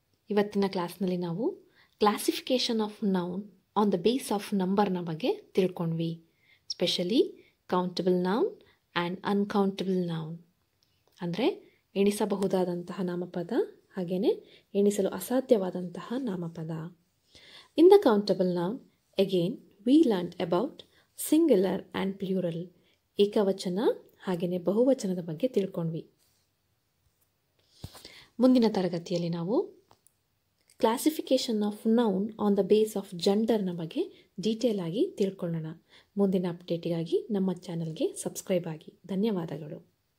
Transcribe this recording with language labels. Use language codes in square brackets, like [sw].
[kn] ಇವತ್ತಿನ ಕ್ಲಾಸ್ನಲ್ಲಿ ನಾವು classification of noun on the base of ನಂಬರ್ನ ಬಗ್ಗೆ ತಿಳ್ಕೊಂಡ್ವಿ. Specially countable noun and uncountable noun, ಅಂದರೆ ಎಣಿಸಬಹುದಾದಂತಹ ನಾಮಪದ, ಹಾಗೆಯೇ ಎಣಿಸಲು ಅಸಾಧ್ಯವಾದಂತಹ ನಾಮಪದ. [en] In the countable noun Again, we learnt about singular and plural. [kn] ಏಕವಚನ ಹಾಗೆಯೇ ಬಹುವಚನದ ಬಗ್ಗೆ ತಿಳ್ಕೊಂಡ್ವಿ. ಮುಂದಿನ ತರಗತಿಯಲ್ಲಿ ನಾವು classification of noun on the base of ಜೆಂಡರ್ನ ಬಗ್ಗೆ ಡೀಟೇಲ್ ಆಗಿ ತಿಳ್ಕೊಳ್ಳೋಣ. ಮುಂದಿನ ಅಪ್ಡೇಟ್ಗಾಗಿ ನಮ್ಮ ಚಾನಲ್ಗೆ ಸಬ್ಸ್ಕ್ರೈಬ್ ಆಗಿ. ಧನ್ಯವಾದಗಳು.